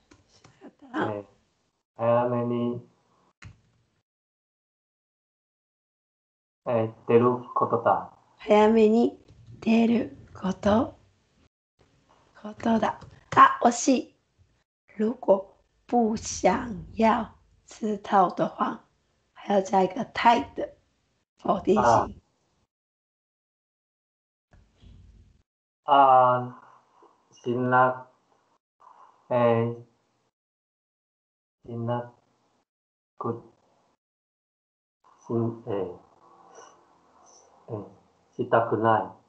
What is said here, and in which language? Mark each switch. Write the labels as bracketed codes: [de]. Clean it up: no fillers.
[ja] しなかったら、早めに出ることだ。早めに出ることことだ。あ、惜しい。 [zh] 如果不想要知道的话、还要加一个态的否定型。 [ja] あ、しな、しなく、しん、したくない。